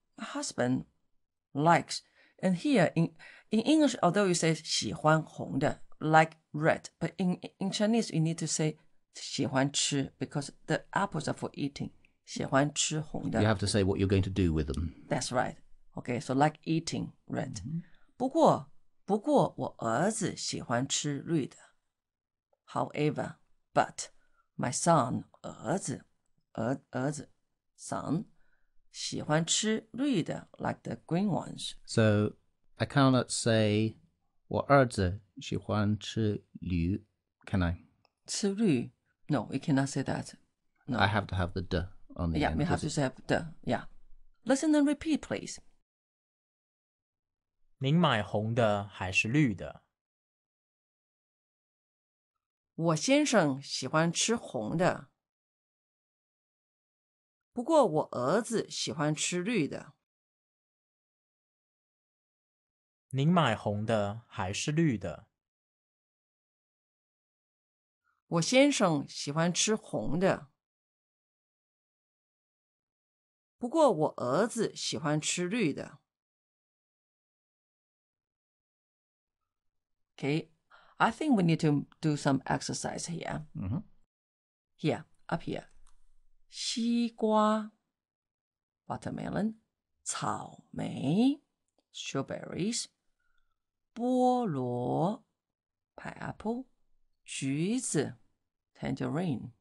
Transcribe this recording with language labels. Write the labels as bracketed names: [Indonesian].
[English] My husband likes. And here in English, although you say [Chinese] 喜欢红的, [English] like red, but in Chinese, you need to say [Chinese] 喜欢吃, [English] because the apples are for eating. [Chinese] 喜欢吃红的. [English] You have to say what you're going to do with them. That's right. Okay, so like eating red. [Chinese] 不过我儿子喜欢吃绿的. [English] However, but my son, 儿子, son, [Chinese] 喜欢吃绿的, [English] like the green ones. So I cannot say [Chinese] 我儿子喜欢吃绿, [English] can I? [Chinese] 吃绿? [English] No, you cannot say that. No. I have to have the de on the end. Yeah, we have to say de, yeah. Listen and repeat, please. [Chinese] 您买红的还是绿的? 我先生喜欢吃红的。不过我儿子喜欢吃绿的。您买红的还是绿的? 我先生喜欢吃红的。不过我儿子喜欢吃绿的。 [English] Okay, I think we need to do some exercise here. Here, up here. 西瓜 watermelon, 草莓 strawberries, 菠萝 pineapple, 橘子 tangerine.